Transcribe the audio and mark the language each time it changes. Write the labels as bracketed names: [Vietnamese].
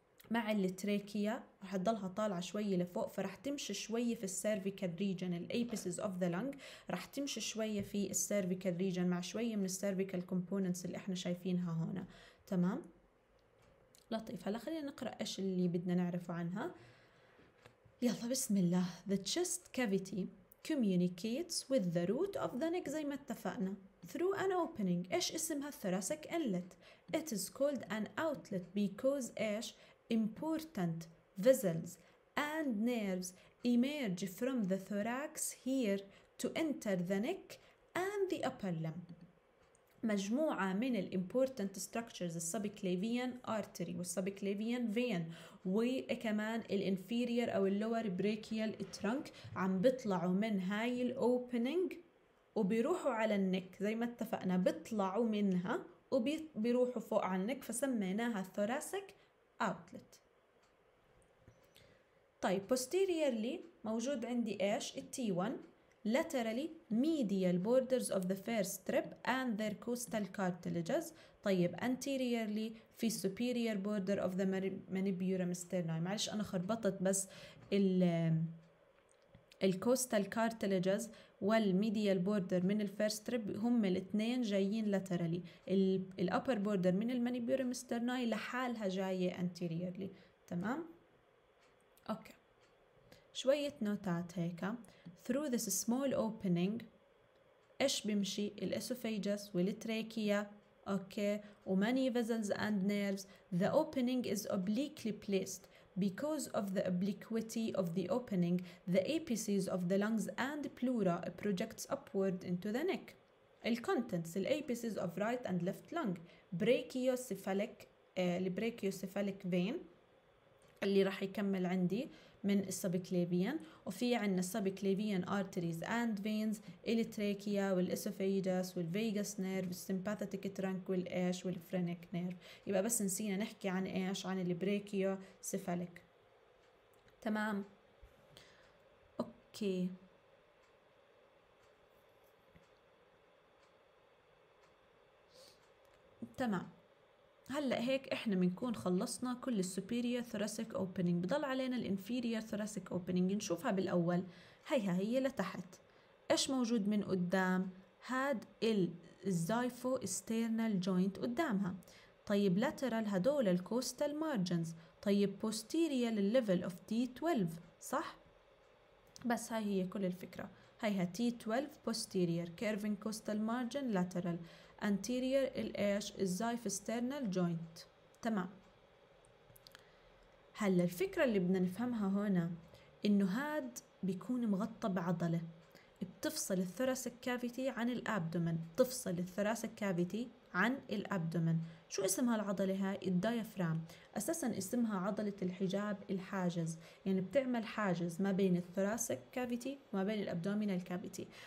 [Arabic] مع التريكيا، رح تضلها طالعة شوية لفوق، فرح تمشي شوية في السيرفيكال ريجن الأبيسز أوف ذا لنج، رح تمشي شوية في السيرفيكال ريجن مع شوية من السيرفيكال كومبوننتس اللي إحنا شايفينها هنا، تمام؟ لطيف. هلا خلينا نقرأ إيش اللي بدنا نعرفه عنها. يلا بسم الله. [English] The chest cavity communicates with the root of the neck [Arabic] زي ما اتفقنا [English] through an opening. [Arabic] إيش اسمها؟ thoracic inlet. [English] It is called an outlet because [Arabic] إيش؟ [English] important vessels and nerves emerge from the thorax here to enter the neck and the upper limb. [Arabic] مجموعة من ال important structures ال subclavian artery وال subclavian vein وكمان ال inferior أو ال lower brachial trunk عم بطلعوا من هاي ال opening وبيروحوا على النك زي ما اتفقنا، بيطلعوا منها وبيروحوا فوق على النك، فسميناها thoracic outlet. طيب posteriorly موجود عندي ايش؟ ال T1. [English] laterally medial borders of the first rib and their costal cartilages. [Arabic] طيب [English] anteriorly في superior border of the manubrium sternae. [Arabic] معلش انا خربطت، بس ال costal cartilages والميديال بوردر من الفيرست ريب هم الاثنين جايين لاترالي، الابر بوردر من المانيبيورم سترناي لحالها جايه انتيريرلي، تمام؟ اوكي شويه نوتات هيك. [English] through this small opening [Arabic] ايش بيمشي؟ الاسوفيجس والتريكيا [English] Okay, or many vessels and nerves, the opening is obliquely placed. Because of the obliquity of the opening, the apices of the lungs and pleura projects upward into the neck. Contents, the apices of right and left lung, brachiocephalic, brachiocephalic vein, [Arabic] اللي راح يكمل عندي من السبكليفيان, وفي عندنا السبكليفيان arteries and veins, التراكيا والاسوفيجاس والفيجاس نيرف والسيمباثيتك ترانكويل ايش والفرينيك نيرف. يبقى بس نسينا نحكي عن ايش, عن البريكيو سيفاليك. تمام اوكي. تمام هلأ هيك إحنا بنكون خلصنا كل superior thoracic opening. بضل علينا inferior thoracic opening, نشوفها بالأول. هيها هي لتحت, إيش موجود من قدام؟ هاد الزايفو external joint قدامها. طيب lateral هدول الكوستال margins. طيب posterior level of T12 صح؟ بس هاي هي كل الفكرة. هيها [English] T12 posterior curving costal margin lateral anterior [Arabic] الايش الزايف [English] external joint. [Arabic] تمام هلا الفكرة اللي بدنا نفهمها هنا انه هاد بيكون مغطى بعضلة بتفصل الثراسك كافيتي عن الابدومن, تفصل الثراسك كافيتي عن الابدومن. شو اسمها العضلة هاي؟ الديافرام. اساسا اسمها عضلة الحجاب الحاجز, يعني بتعمل حاجز ما بين الثراسك كافيتي وما بين الابدومينال كافيتي.